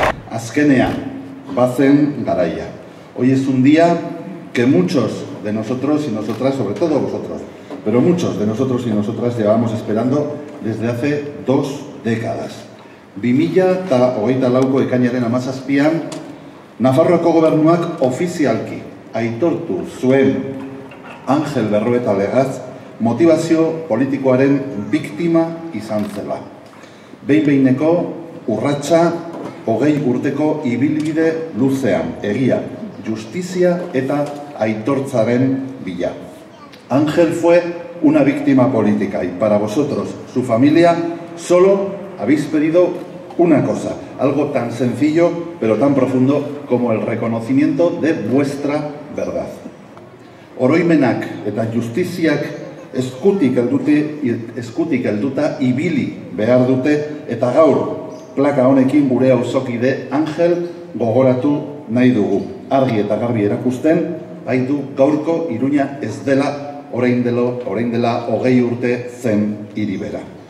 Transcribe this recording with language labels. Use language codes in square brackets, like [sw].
[eu] Azkenean, bazen garaia. [es] Hoy es un día que muchos de nosotros y nosotras, sobre todo vosotros, pero muchos de nosotros y nosotras llevamos esperando desde hace 2 décadas. [eu] 2024ko ekainaren 17an, Nafarroako gobernuak ofizialki aitortu zuen Ángel Berrueta legaz motivazio politikoaren biktima izan zela. Behin-behineko urratsa 20 urteko ibilbide luzean, egia, justizia eta aitortzaren bila. [es] Ángel fue una víctima política y para vosotros, su familia, solo habéis pedido una cosa, algo tan sencillo pero tan profundo como el reconocimiento de vuestra verdad. [eu] Oroimenak eta justiziak eskutik helduta ibili behar dute eta gaur plaka honekin gure auzokide Ángel gogoratu nahi dugu. Argi eta garbi erakusten, baitu gaurko Iruña ez dela orain dela 20 urte zen hiri bera.